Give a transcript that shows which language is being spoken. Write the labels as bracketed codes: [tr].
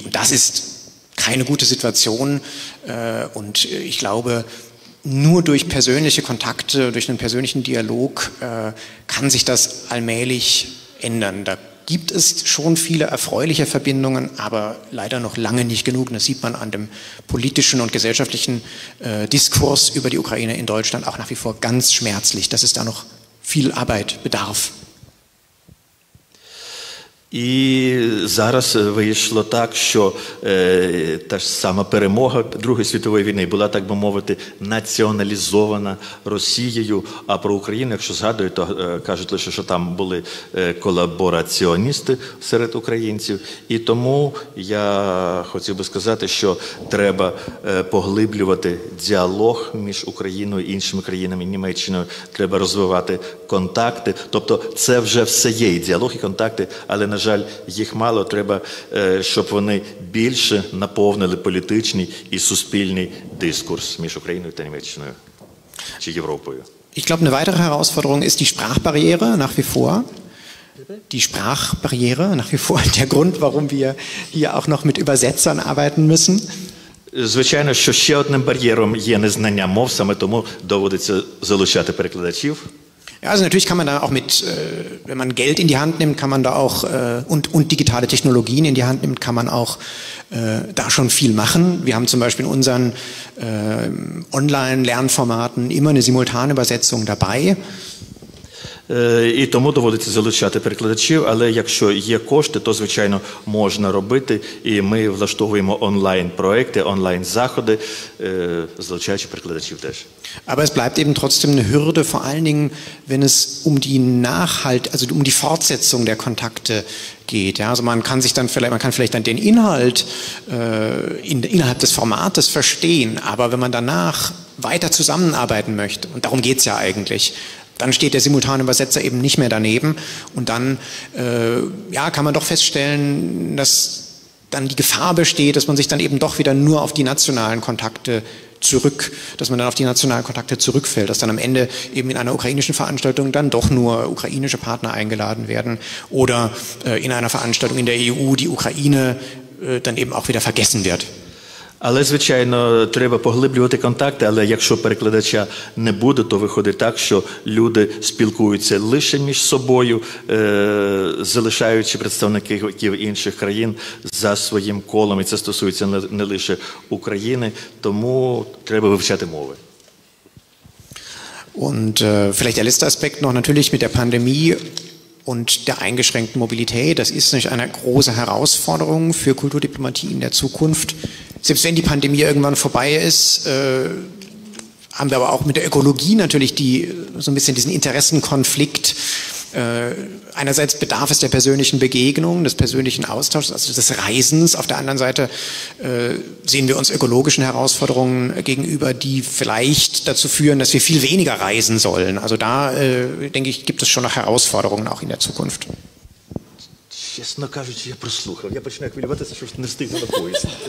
[de] Und das ist keine gute Situation und ich glaube, nur durch persönliche Kontakte, durch einen persönlichen Dialog kann sich das allmählich ändern. Da gibt es schon viele erfreuliche Verbindungen, aber leider noch lange nicht genug. Das sieht man an dem politischen und gesellschaftlichen Diskurs über die Ukraine in Deutschland auch nach wie vor ganz schmerzlich, dass es da noch viel Arbeit bedarf. [uk] І зараз вийшло так, що та ж сама перемога Другої світової війни була, так би мовити, націоналізована Росією. А про Україну, якщо згадую, то кажуть лише, що там були колабораціоністи серед українців. І тому я хотів би сказати, що треба поглиблювати діалог між Україною і іншими країнами, Німеччиною. Треба розвивати контакти. Тобто це вже все є, і діалог, і контакти, але, на жаль, їх мало, треба, щоб вони більше наповнили політичний і суспільний дискурс між Україною та Німеччиною чи Європою. [de] Ich glaube, eine weitere Herausforderung ist die Sprachbarriere nach wie vor. Die Sprachbarriere nach wie vor der Grund, warum wir hier auch noch mit Übersetzern arbeiten müssen. [uk] Звичайно, що ще одним бар'єром є незнання мов, саме тому доводиться залучати перекладачів. [de] Ja, also natürlich kann man da auch mit, wenn man Geld in die Hand nimmt, kann man da auch, und digitale Technologien in die Hand nimmt, kann man auch da schon viel machen. Wir haben zum Beispiel in unseren Online-Lernformaten immer eine Simultanübersetzung dabei. [uk] І тому доводиться залучати перекладачів, але якщо є кошти, то, звичайно, можна робити. І ми влаштовуємо онлайн-проекти, онлайн-заходи, залучаючи перекладачів теж. [de] Aber es bleibt eben trotzdem eine Hürde, vor allen Dingen, wenn es um die Nachhalt, also um die Fortsetzung der Kontakte geht. Ja, also man kann vielleicht dann den Inhalt innerhalb des Formates verstehen, aber wenn man danach weiter zusammenarbeiten möchte, und darum geht es ja eigentlich, dann steht der Simultanübersetzer eben nicht mehr daneben. Und dann kann man doch feststellen, dass dann die Gefahr besteht, dass man sich dann eben doch wieder nur auf die nationalen Kontakte zurückfällt, dass dann am Ende eben in einer ukrainischen Veranstaltung dann doch nur ukrainische Partner eingeladen werden oder in einer Veranstaltung in der EU die Ukraine dann eben auch wieder vergessen wird. [uk] Але, звичайно, треба поглиблювати контакти, але якщо перекладача не буде, то виходить так, що люди спілкуються лише між собою, залишаючи представників інших країн за своїм колом, і це стосується не лише України, тому треба вивчати мови. [de] Und vielleicht der letzte Aspekt noch natürlich mit der Pandemie und der eingeschränkten Mobilität, das ist natürlich eine große Herausforderung für Kulturdiplomatie in der Zukunft. Selbst wenn die Pandemie irgendwann vorbei ist, haben wir aber auch mit der Ökologie natürlich so ein bisschen diesen Interessenkonflikt. Einerseits bedarf es der persönlichen Begegnung, des persönlichen Austauschs, also des Reisens. Auf der anderen Seite sehen wir uns ökologischen Herausforderungen gegenüber, die vielleicht dazu führen, dass wir viel weniger reisen sollen. Also da, denke ich, gibt es schon noch Herausforderungen auch in der Zukunft. [uk] Чесно кажучи, я прослухав. Я починаю хвилюватися, що не встигну на поїзд.